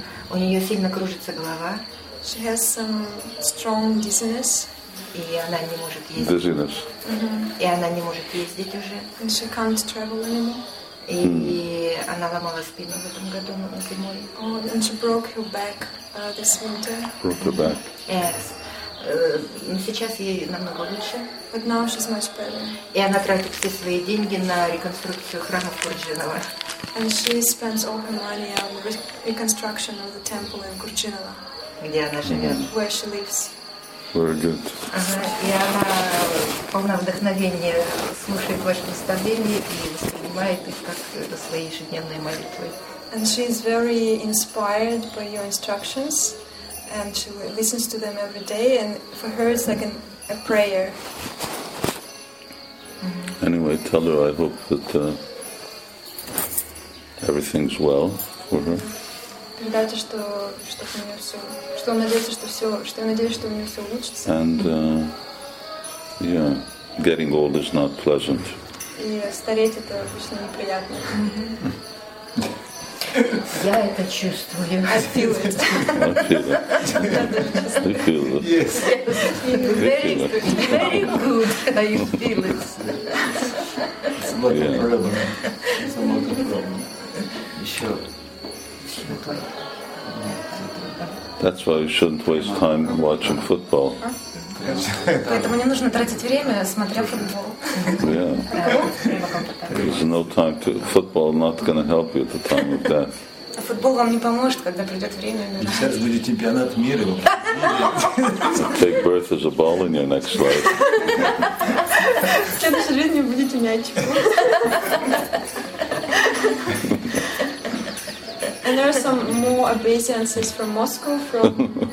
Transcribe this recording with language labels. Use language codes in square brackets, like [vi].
[ru] У нее сильно кружится голова. [en] She has some strong dizziness. [ru] И она не может ездить. [en] Dizziness. [ru] И она не может ездить уже. [en] And she can't travel anymore. [ru] И она ломала спину в этом году, но зимой. [en] Oh, and she broke her back this winter. Broke her back. Yes. [ru] Сейчас ей намного лучше. [en] But now she's much better. [ru] И она тратит все свои деньги на реконструкцию храма Курджинова. [en] And she spends all her money on reconstruction of the temple in Курджинова. [ru] Где она живет. [en] Where she lives. Very good. [ru] И она полна вдохновения, слушает ваши наставления и воспринимает их как свои ежедневные молитвы. [en] And she is very inspired by your instructions, and she listens to them every day, and for her it's like a prayer. Anyway, tell her I hope that everything's well for her. [ru] Передайте, что у нее все, что надеется, что все, что я надеюсь, что у нее все улучшится. [en] And getting old is not pleasant. [ru] И стареть это обычно неприятно. Я это чувствую. [en] I feel it. I feel it. You feel it. Yes. Very good. You feel it. It's a lot of problem. Еще. That's why you shouldn't waste time watching football. [ru] Поэтому мне нужно тратить время, смотря футбол. [en] Yeah. There's no time to football. Not gonna help you at the time of death. [ru] А футбол вам не поможет, когда придет время. Сейчас будет чемпионат мира. [en] Take birth as a ball in your next life. [ru] В следующей жизни вы будете мячиком. [en] And there are some more obeisances from Moscow, from